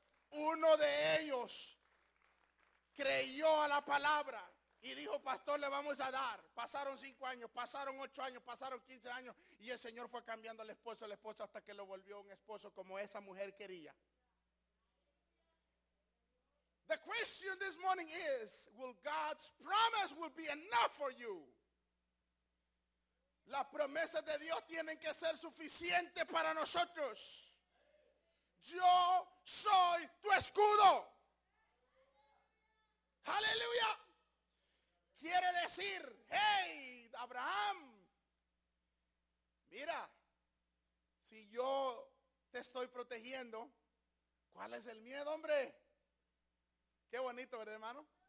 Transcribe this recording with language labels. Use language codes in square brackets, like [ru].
[es] Uno de ellos creyó a la palabra y dijo, pastor, le vamos a dar. Pasaron 5 años, pasaron 8 años, pasaron 15 años, y el Señor fue cambiando al esposo, la esposa, hasta que lo volvió un esposo como esa mujer quería. [en] The question this morning is, will God's promise will be enough for you? [es] Las promesas de Dios tienen que ser suficientes para nosotros. Yo soy tu escudo. Aleluya. Quiere decir, hey, Abraham, mira, si yo te estoy protegiendo, ¿cuál es el miedo, hombre? Qué bonito, ¿verdad, hermano?